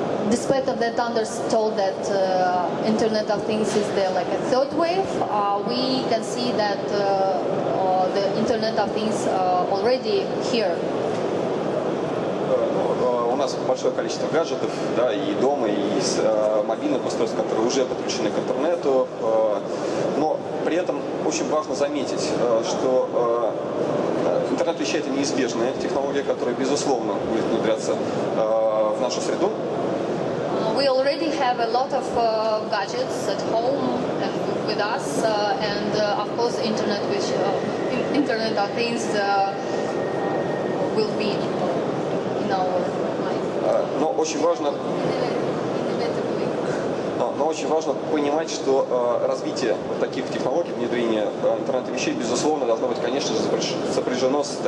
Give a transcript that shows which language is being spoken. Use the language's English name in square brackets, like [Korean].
[English] Despite of that, Anders told that Internet of Things is there like a third wave. We can see that the Internet of Things already here. [Russian] У нас большое количество гаджетов, да, и дома, и мобильных устройств, которые уже подключены к интернету. Но при этом очень важно заметить, что интернет вещей – это неизбежная технология, которая, безусловно, будет внедряться в нашу среду. [English] We already have a lot of gadgets at home with us, and of course Internet, which, Internet of Things will be in our... [Russian] Но очень важно понимать, что развитие вот таких технологий, внедрение интернета вещей, безусловно, должно быть, конечно же, сопряжено